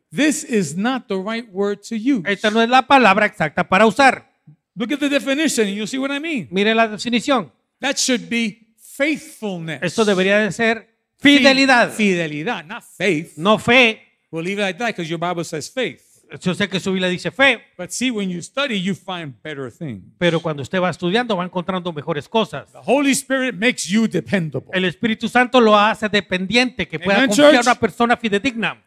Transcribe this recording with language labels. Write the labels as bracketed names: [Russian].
[English] This is not the right word to use. [Spanish] Esta no es la palabra exacta para usar. [English] Look at the definition and you'll see what I mean. [Spanish] Mire la definición. [English] That should be faithfulness. [Spanish] Esto debería de ser fidelidad. [English] Fidelidad, not faith. [Spanish] No fe. [English] We'll leave it like that because your Bible says faith. [Spanish] Yo sé que su Biblia dice fe. [English] But see, when you study, you find better things. [Spanish] Pero cuando usted va estudiando, va encontrando mejores cosas. [English] The Holy Spirit makes you dependable. [Spanish] El Espíritu Santo lo hace dependiente, que pueda confiar a una persona fidedigna.